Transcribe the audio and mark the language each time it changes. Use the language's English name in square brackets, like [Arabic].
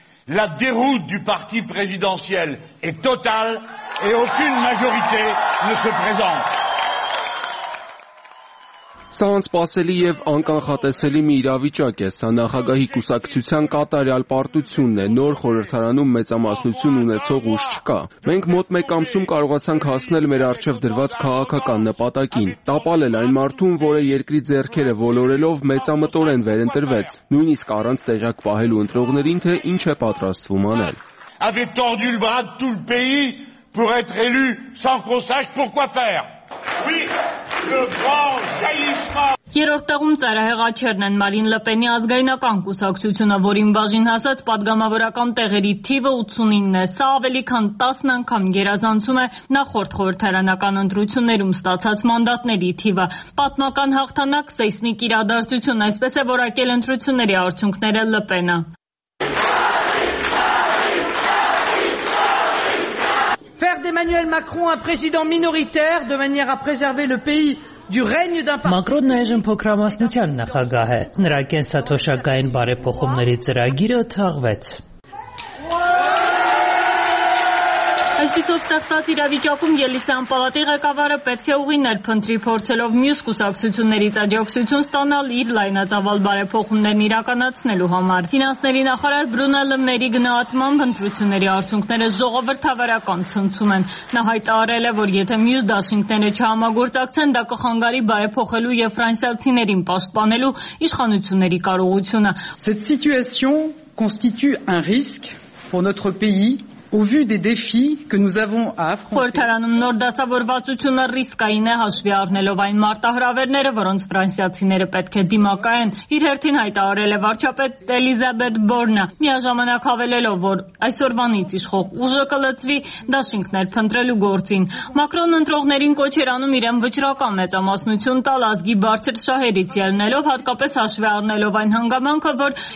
[French] La déroute du parti présidentiel est totale et aucune majorité ne se présente. [Armenian] Սանս պասելի եւ անկանխատեսելի մի իրավիճակ է, սա նախագահի կուսակցության կատարյալ պարտությունն է, նոր խորհրդարանում մեծամասնություն ունեցող ուժ չկա։ Մենք մոտ 1 ամսում կարողացանք հասնել մեր արժեվ դրված քաղաքական նպատակին՝ տապալել այն մարդուն, որը երկրի ձեռքերը ոլորելով մեծամտորեն վերընտրվեց, նույնիսկ առանց տեղյակ պահելու ընտրողներին, թե ինչ է պատրաստվում անել։ Երրորդ տեղում ծայրահեղաչերն են Մարին Լպենի ազգայնական կուսակցությունը, որին բաժին հասած պատգամավորական տեղերի թիվը 89 է, սա ավելի քան 10 անգամ գերազանցում է նախորդ խորհրդարանական ընտրություններում ստացած մանդատների թիվը։ Պատմական հաղթանակ, սեյսմիկ իրադարձություն, այսպես է որակել ընտրությունների արդյունքները Լպենը։ [French] Faire d'Emmanuel Macron un président minoritaire de manière à préserver le pays [Armenian] Մակրոնն այժմ փոքրամասնության նախագահ է։ Նրա կենսաթոշակային բարեփոխումների ծրագիրը թաղվեց։ Այսպիսով ստեղծած իրավիճակում Ելիսան պալատի ղեկավարը պետք է ուղիներ փնտրի, փորձելով մյուս կուսակցություններից աջակցություն ստանալ իր լայնածավալ բարեփոխումներն իրականացնելու համար։ Ֆինանսների նախարար Բրունելը Մերի գնահատմամբ ընտրությունների արդյունքները ժողովրդավարական ցնցում են։ Նա հայտարարել է, որ եթե մյուս դաշինքները չհամագործակցեն, դա կխանգարի բարեփոխելու և ֆրանսիացիներին պաշտպանելու իշխանությունների կարողությունը։ [French] Cette situation constitue un risque pour notre pays. Au vu des défis que nous avons à affronter, [Armenian] նոր դասավորվածությունը ռիսկային է, հաշվի առնելով այն մարտահրավերները, որոնց ֆրանսիացիները պետք է դիմակայեն, իր հերթին հայտարարել է վարչապետ Էլիզաբետ Բորնը, միաժամանակ հավելելով, որ այսօրվանից իշխող ուժը կլծվի դաշինքներ փնտրելու գործին։ Մակրոն ընտրողներին կոչ էր անում իրեն վճռական մեծամասնություն տալ ազգի բարձր շահերից ելնելով, հատկապես հաշվի առնելով այն հանգամանքը, որ